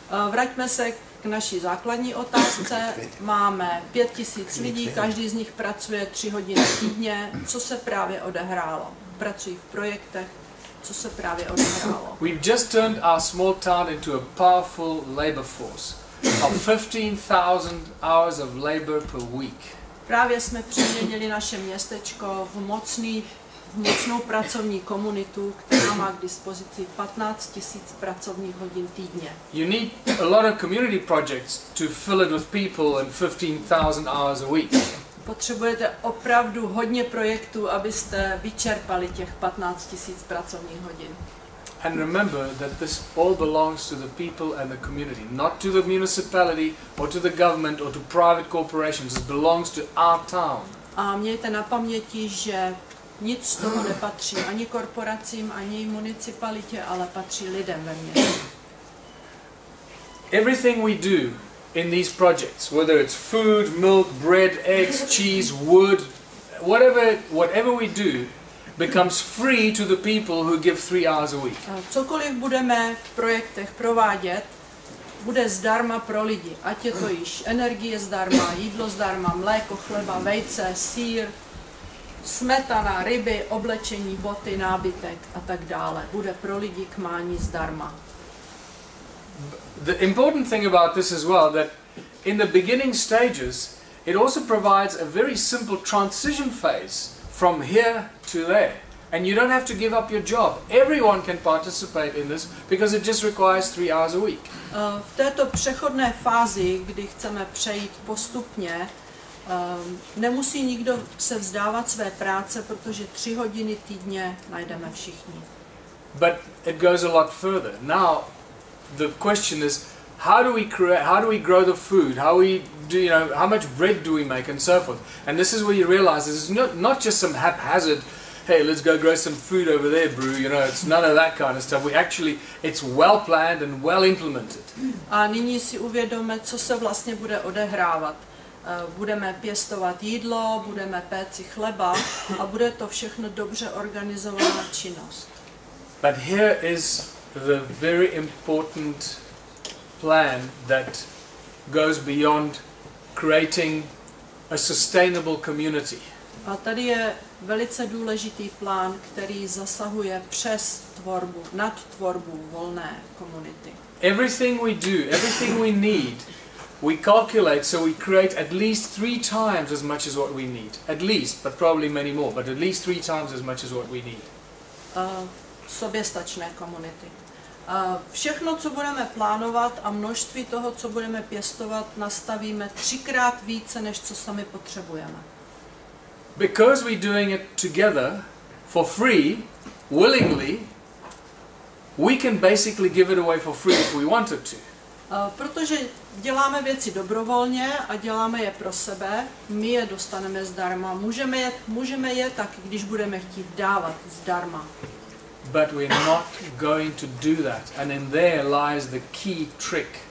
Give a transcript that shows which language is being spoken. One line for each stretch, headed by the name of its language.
Czech: Vraťme se k naší základní otázce. Máme 5,000 lidí, každý z nich pracuje 3 hodiny týdně. Co se právě odehrálo? Pracují v projektech. Co se právě odehrálo?
English: We've just turned our small town into a powerful labor force of 15,000 hours of labor per week.
Czech: Právě jsme přeměnili naše městečko v mocnou pracovní komunitu, která má k dispozici 15,000 pracovních hodin týdně.
English: You need a lot of community projects to fill it with people and 15,000 hours a week.
Czech: Potřebujete opravdu hodně projektů, abyste vyčerpali těch 15,000 pracovních hodin.
English: And remember that this all belongs to the people and the community, not to the municipality or to the government or to private corporations. It belongs to our town.
Czech: A mějte na paměti, že nic z toho nepatří ani korporacím, ani municipalitě, ale patří lidem ve městě.
English: Everything we do in these projects, whether it's food, milk, bread, eggs, cheese, wood, whatever we do, becomes free to the people who give 3 hours a week.
Czech: Cokoliv budeme v projektech provádět, bude zdarma pro lidi. Ať je to již energie zdarma, jídlo zdarma, mléko, chleba, vejce, sýr, smetana, ryby, oblečení, boty, nábytek a tak dále. Bude pro lidi k mání zdarma.
English: The important thing about this as well, that in the beginning stages, it also provides a very simple transition phase from here to there, and you don't have to give up your job. Everyone can participate in this because it just requires 3 hours a week.
Czech: V této přechodné fázi, kdy chceme přejít postupně, nemusí nikdo se vzdávat své práce, protože 3 hodiny týdně najdeme všichni.
English: But it goes a lot further. Now the question is, how do we create, how do we grow the food, how we do, you know, how much bread do we make and so forth. And this is where you realize this is not just some haphazard, hey, let's go grow some food over there, bro. You know, it's none of that kind of stuff. We actually, it's well planned and well implemented.
Czech: A nyní si uvědomme, co se vlastně bude odehrávat. Budeme pěstovat jídlo, budeme péci chleba a bude to všechno dobře organizovaná činnost.
English: But here is the very important plan that goes beyond creating a sustainable community.
Czech: A tady je velice důležitý plán, který zasahuje přes tvorbu, nad tvorbu volné komunity.
English: Everything we do, everything we need, we calculate so we create at least 3 times as much as what we need. At least, but probably many more, but at least 3 times as much as what we need.
Czech: Soběstačné komunity. Všechno, co budeme plánovat a množství toho, co budeme pěstovat, nastavíme 3x více, než co sami potřebujeme.
English: Because we're doing it together, for free, willingly, we can basically give it away for free if we wanted to.
Czech: Protože děláme věci dobrovolně a děláme je pro sebe, my je dostaneme zdarma. Můžeme je tak, když budeme chtít dávat zdarma.
English: But we're not going to do that, and in there lies the key trick.